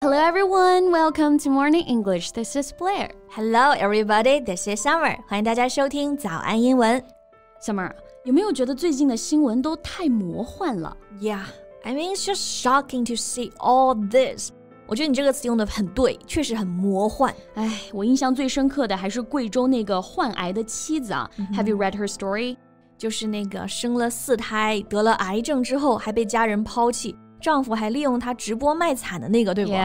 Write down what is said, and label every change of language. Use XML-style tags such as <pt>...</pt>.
<en>Hello everyone, welcome to Morning English, this is Blair. Hello everybody, this is Summer.</en> <zh>欢迎大家收听早安英文。 Summer, 有没有觉得最近的新闻都太魔幻了？</zh> <en>Yeah, I mean it's just shocking to see all this.</en> <zh>我觉得你这个词用得很对，确实很魔幻。哎，我印象最深刻的还是贵州那个患癌的妻子啊。</zh> <en>Mm-hmm. Have you read her story?</en> <zh>就是那个生了四胎，得了癌症之后还被家人抛弃，丈夫还利用她直播卖惨的那个，对不？</zh>